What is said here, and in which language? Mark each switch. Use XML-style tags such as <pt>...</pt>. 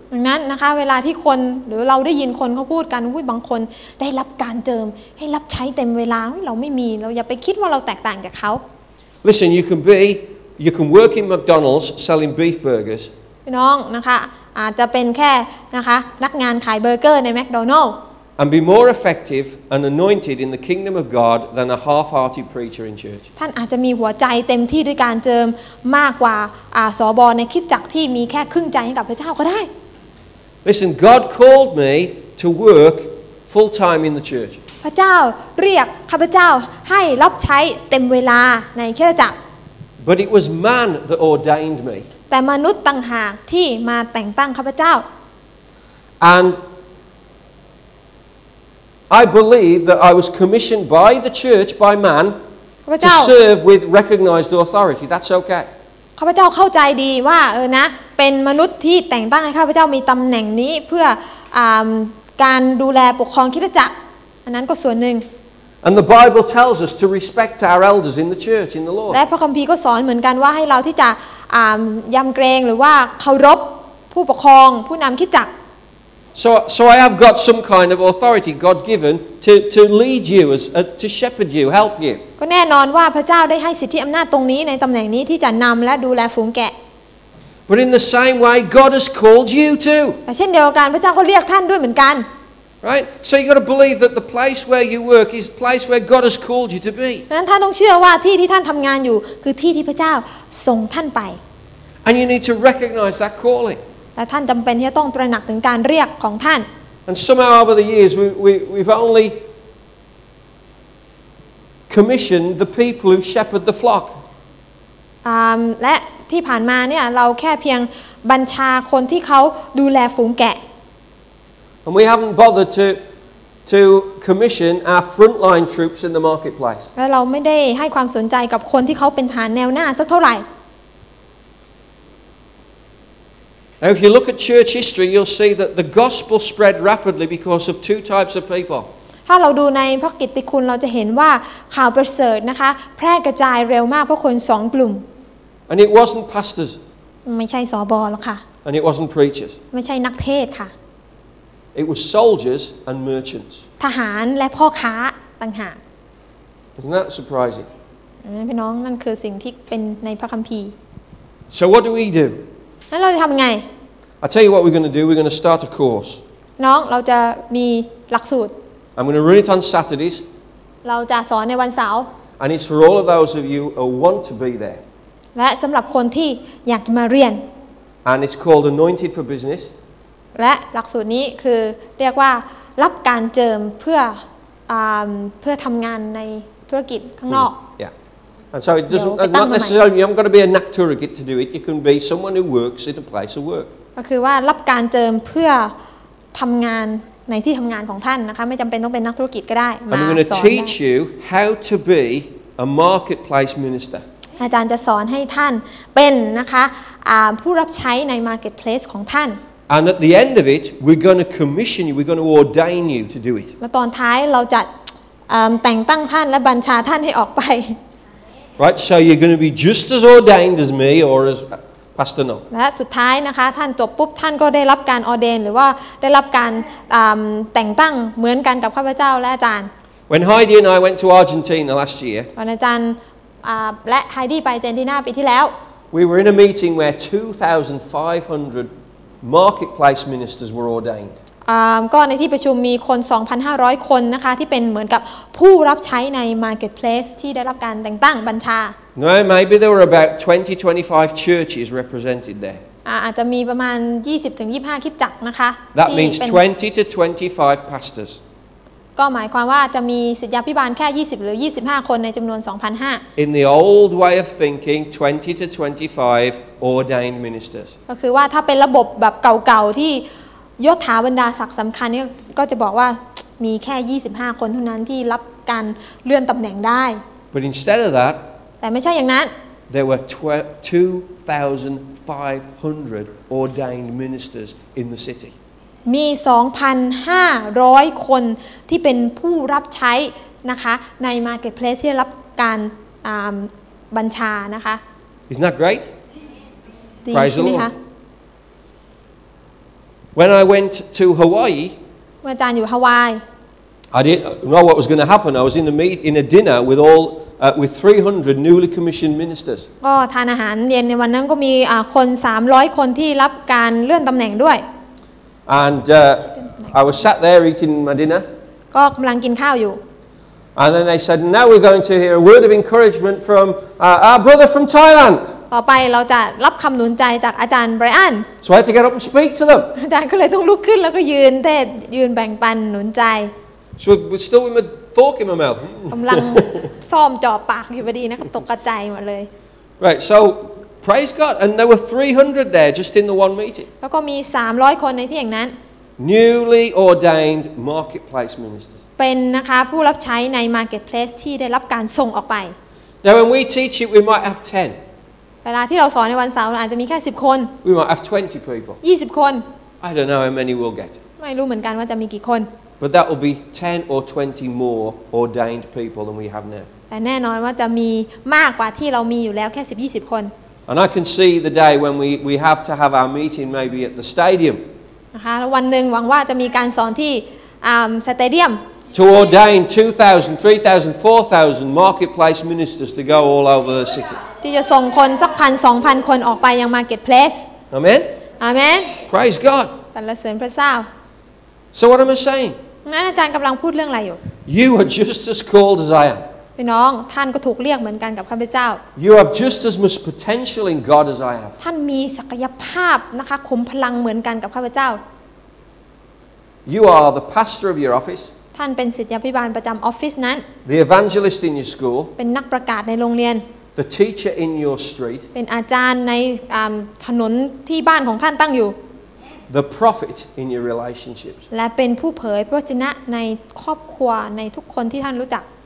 <th>ดังนั้นนะคะเวลาที่คนหรือเราได้ยินคนเขาพูดกันว่าบางคนได้รับการเจิมให้รับใช้เต็มเวลาเราไม่มีเราอย่าไปคิดว่าเราแตกต่างจากเขา</th> <en>Listen, you can work in McDonald's selling beef burgers.</en> <th>น้องนะคะอาจจะเป็นแค่นะคะนักงานขายเบอร์เกอร์ในแมคโดนัลด์</th> <en>And be more effective and anointed in the kingdom of God than a half-hearted preacher in church.</en> <th>ท่านอาจจะมีหัวใจเต็มที่ด้วยการเจิมมากกว่าสบในคิดจักที่มีแค่ครึ่งใจกับพระเจ้าก็ได้</th> <en>Listen, God called me to work full-time in the church.</en> <th>พระเจ้าเรียกข้าพเจ้าให้รับใช้เต็มเวลาในคริสตจักร</th> <en>But it was man that ordained me.</en> <th>แต่มนุษย์ต่างหากที่มาแต่งตั้งข้าพเจ้า</th> <en>AndI believe that I was commissioned by the church, by man, to serve with recognized authority. That's okay.</en> <th>ข้าพเจ้าเข้าใจดีว่าเออนะเป็นมนุษย์ที่แต่งตั้งให้ข้าพเจ้ามีตำแหน่งนี้เพื่อการดูแลปกครองคริสตจักรอันนั้นก็ส่วนหนึ่ง</th> <en>And the Bible tells us to respect our elders in the church, in the Lord.</en> <th>และพระคัมภีร์ก็สอนเหมือนกันว่าให้เราที่จะยำเกรงหรือว่าเคารพผู้ปกครองผู้นำคริสตจักร</th> <en>So I have got some kind of authority God given to lead you as to shepherd you help you.</en> <th>ก็แน่นอนว่าพระเจ้าได้ให้สิทธิอำนาจตรงนี้ในตำแหน่งนี้ที่จะนำและดูแลฝูงแกะ</th> <en>But in the same way God has called you too.</en> <th>แต่เช่นเดียวกันพระเจ้าก็เรียกท่านด้วยเหมือนกัน</th> <en>Right? So you got to believe that the place where you work is the place where God has called you to be.</en> <th>งั้นท่านต้องเชื่อว่าที่ที่ท่านทำงานอยู่คือที่ที่พระเจ้าส่งท่านไป</th> <en>And you need to recognize that calling.</en> <th>แต่ท่านจำเป็นที่จะต้องตระหนักถึงการเรียกของท่าน</th> <en>And somehow over the years we've only commissioned the people who shepherd the flock</en> <th>และที่ผ่านมาเนี่ยเราแค่เพียงบัญชาคนที่เขาดูแลฝูงแกะ</th> <en>And we haven't bothered to commission our frontline troops in the marketplace</en> <th>แล้วเราไม่ได้ให้ความสนใจกับคนที่เขาเป็นฐานแนวหน้าสักเท่าไหร่</th> <en>Now, if you look at church history, you'll see that the gospel spread rapidly because of two types of people.</en> <th>ถ้าเราดูในพระกิตติคุณเราจะเห็นว่าข่าวประเสริฐนะคะแพร่กระจายเร็วมากเพราะคนสองกลุ่ม</th> <en>And it wasn't pastors.</en> <th>ไม่ใช่สบหรอกค่ะ</th> <en>And it wasn't preachers.</en> <th>ไม่ใช่นักเทศค่ะ</th> <en>It was soldiers and merchants.</en> <th>ทหารและพ่อค้าต่างหาก</th> <en>Isn't that surprising?</en> <th>นั่นพี่น้องนั่นคือสิ่งที่เป็นในพระคัมภีร์</th> <en>So what do we do?</en> <th>แล้วเราจะทำไง</th> <en>I'll tell you what we're going to do. We're going to start a course.</en> <th>น้องเราจะมีหลักสูตร</th> <en>I'm going to run it on Saturdays.</en> <th>เราจะสอนในวันเสาร์</th> <en>And it's for all of those of you who want to be there.</en> <th>และสำหรับคนที่อยากจะมาเรียน</th> <en>And it's called Anointed for Business.</en> <th>และหลักสูตรนี้คือเรียกว่ารับการเจิมเพื่อทำงานในธุรกิจข้างนอก</th> <en>Yeah and so it doesn't not necessarily you haven't got to be a</en> <th>nak turagit</th> <en>to do it you can be someone who works in a place of work</en> <th>ก็คือว่ารับการเจิมเพื่อทำงานในที่ทำงานของท่านนะคะไม่จำเป็นต้องเป็นนักธุรกิจก็ได้มาสอน</th> <en>I'm going to teach you how to be a marketplace ministera</en> <th>จารย์จะสอนให้ท่านเป็นนะคะผู้รับใช้ในมาร์เก็ตเพลสของท่าน</th> <en>And at the end of it, we're going to commission you. We're going to ordain you to do it.</en> <th>และตอนท้ายเราจะแต่งตั้งท่านและบัญชาท่านให้ออกไป</th> <en>Right, so you're going to be just as ordained as me or as Pastor No.</en> <th>และสุดท้ายนะคะท่านจบปุ๊บท่านก็ได้รับการออเดนหรือว่าได้รับการแต่งตั้งเหมือนกันกับข้าพเจ้าและอาจารย์</th> <en>When Heidi and I went to Argentina last year,</en> <th>วันอาจารย์และไฮดี้ไปอาร์เจนตินาปีที่แล้ว</th> <en>We were in a meeting where 2,500Marketplace ministers were ordained.</en> <th>ก็ในที่ประชุมมีคน 2,500 คนนะคะที่เป็นเหมือนกับผู้รับใช้ใน marketplace ที่ได้รับการแต่งตั้งบัญชา</th> <en>No, maybe there were about 20-25 churches represented there.</en> <th>อาจจะมีประมาณ 20-25 คริสตจักรนะคะ</th> <en>That means 20-25 pastors.</en> <th>ก็หมายความว่าจะมีศิษยาภิบาลแค่20หรือ25คนในจำนวน 2,500</th> <en>In the old way of thinking, 20-25Ordained ministers.</en> <th>ก็คือว่าถ้าเป็นระบบแบบเก่าๆที่ยศถาบรรดาศักดิ์สำคัญเนี่ยก็จะบอกว่ามีแค่25คนเท่านั้นที่รับการเลื่อนตำแหน่งได้</th> <en>But instead of that,</en> <th>แต่ไม่ใช่อย่างนั้น</th> <en>There were 2,500 ordained ministers in the city.</en> <th>มี 2,500 คนที่เป็นผู้รับใช้นะคะใน marketplace ที่รับการบัญชานะคะ</th> <en>Isn't that great? Praise the Lord. When I went to Hawaii,</en> <th>เมื่ออาจารย์อยู่ฮาวาย</th> <en>I didn't know what was going to happen. I was in a meet in a dinner with all with 300 newly commissioned ministers.</en> <th>ก็ทานอาหารเย็นในวันนั้นก็มีคน300คนที่รับการเลื่อนตำแหน่งด้วย</th> <en>And I was sat there eating my dinner.</en> <th>ก็กำลังกินข้าวอยู่</th> <en>And then they said, "Now we're going to hear a word of encouragement from our brother from Thailand."</en> <th>ต่อไปเราจะรับคำหนุนใจจากอาจารย์ไบรอัน</th> <en>So I had to get up and speak to them.</en> <th>อาจารย์ก็เลยต้องลุกขึ้นแล้วก็ยืนเทศยืนแบ่งปันหนุนใจ</th> <en>So we're still with my fork in my mouth.</en> <th>กำลังซ่อมจ่อปากอยู่พอดีนะตกกระจายหมดเลย</th> <en>Right, so praise God, and there were 300 there just in the one meeting.</en> <th>แล้วก็มี300คนในที่อย่างนั้น</th> <en>Newly ordained marketplace ministers.</en> <th>เป็นนะคะผู้รับใช้ใน marketplace ที่ได้รับการส่งออกไป</th> <en>Now when we teach it, we might have 10.</en> <th>เวลาที่เราสอนในวันเสาร์อาจจะมีแค่10คน</th> <en>We might have 20 people</en> <th>20คน</th> <en>I don't know how many we'll get</en> <th>ไม่รู้เหมือนกันว่าจะมีกี่คน</th> <en>But that will be 10 or 20 more ordained people than we have now</en> <th>แต่แน่นอนว่าจะมีมากกว่าที่เรามีอยู่แล้วแค่10 20คน</th> <en>And I can see the day when we have to have our meeting maybe at the stadium</en> <th>นะคะวันหนึ่งหวังว่าจะมีการสอนที่สเตเดียม</th> <en>To ordain 2,000 3,000 4,000 marketplace ministers to go all over the city</en> <th>ที่จะส่งคนสักพัน2,000คนออกไปยัง marketplace</th> <en>amen amen praise God</en> <th>สรรเสริญพระเจ้า</th> <en>so what am I saying</en> <th>นั่นอาจารย์กำลังพูดเรื่องอะไรอยู่</th> <en>you are just as called as I am</en> <th>พี่น้องท่านก็ถูกเรียกเหมือนกันกับข้าพเจ้า</th> <en>you have just as much potential in God as I have</en> <th>ท่านมีศักยภาพนะคะขุมพลังเหมือนกันกับข้าพเจ้า</th> <en>you are the pastor of your office</en> <th>ท่านเป็นศิษยาภิบาลประจำออฟฟิศนั้น</th> <en>the evangelist in your school</en> <th>เป็นนักประกาศในโรงเรียน</th> <en>The teacher in your street.</en> <th>เป็นอาจารย์ในถนนที่บ้านของท่านตั้งอยู่</th> <en>The prophet in your relationships.</en> <th>และเป็นผู้เผยพระวจนะในครอบครัวในทุกคนที่ท่านรู้จัก</th>